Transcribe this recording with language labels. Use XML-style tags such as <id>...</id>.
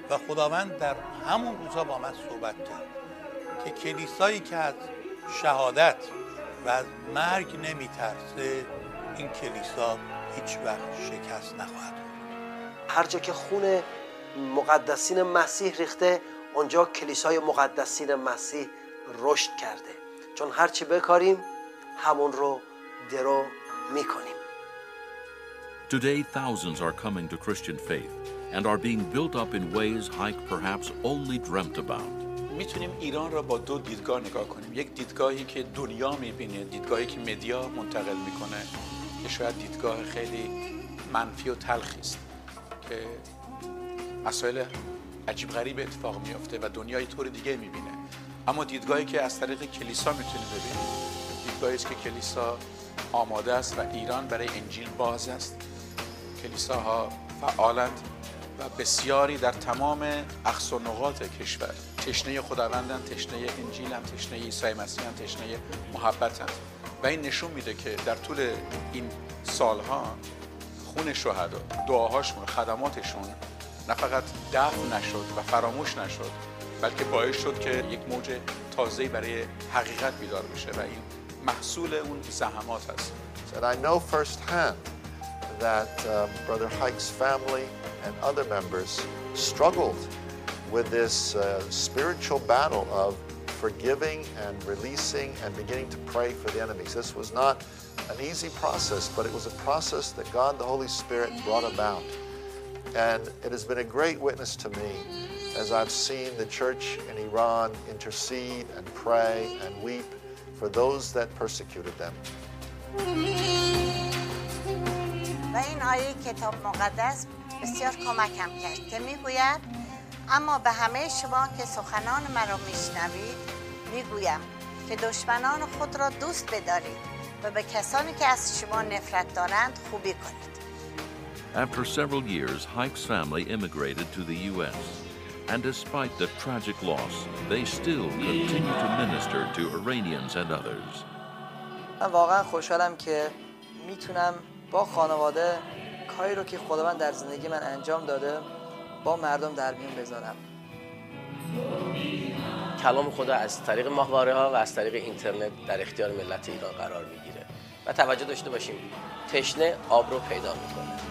<fa>و خداوند در همون روزا با من صحبت کرد که کلیسایی که از شهادت و از مرگ نمی ترسه، این کلیسا هیچ وقت شکست نخواهد خورد. هر جا که خون مقدسین مسیح ریخته، اونجا کلیسای مقدسین مسیح رشد کرده، چون هر چی بکاریم همون رو درو می کنیم.</fa> <en>Today thousands are coming to Christian faith and are being built up in ways Hike perhaps only dreamt about.</en> <fa>میتونیم ایران را با دو دیدگاه نگاه کنیم، یک دیدگاهی که دنیا میبینه، دیدگاهی که مدیا منتقل میکنه که شاید دیدگاه خیلی منفی و تلخی است که مسائل عجیب غریب اتفاق میفته و دنیا یه طور دیگه میبینه، اما دیدگاهی که از طریق کلیسا میتونیم ببینیم، دیدگاهی است که کلیسا آماده است و ایران برای انجیل باز است. کلیساها فعالند و بسیاری در تمام اقصا و نقاط کشور تشنه خداوندن، تشنه انجیلن، تشنه عیسی مسیحن، تشنه محبتن. و این نشون میده که در طول این سالها خون شهدا، دعاهاشون، خدماتشون نه فقط دفن نشد و فراموش نشد، بلکه باعث شد که یک موج تازه برای حقیقت بیدار بشه و این محصول اون زحمات هست.</fa> <en>And I know firsthand that Brother Hike's family and other members struggled with this spiritual battle of forgiving and releasing and beginning to pray for the enemies. This was not an easy process, but it was a process that God the Holy Spirit brought about. And it has been a great witness to me as I've seen the church in Iran intercede and pray and weep for those that persecuted them.</en> <fa>و این آیه کتاب مقدس بسیار کمکم کرد که میگوید: اما به همه شما که سخنان مرا میشنوید میگویم که دشمنان خود را دوست بدارید و به کسانی که از شما نفرت دارند خوبی کنید.</fa> <en>After several years, Hike's family immigrated to the US, and despite the tragic loss, they still continue to minister to Iranians and others.</en> <fa>من واقعا خوشحالم که میتونم با خانواده کاری رو که خداوند در زندگی من انجام داده با مردم در میون بذارم. کلام خدا از طریق ماهواره ها و از طریق اینترنت در اختیار ملت ایران قرار میگیره و توجه داشته باشیم، تشنه آب رو پیدا میکنه.</fa>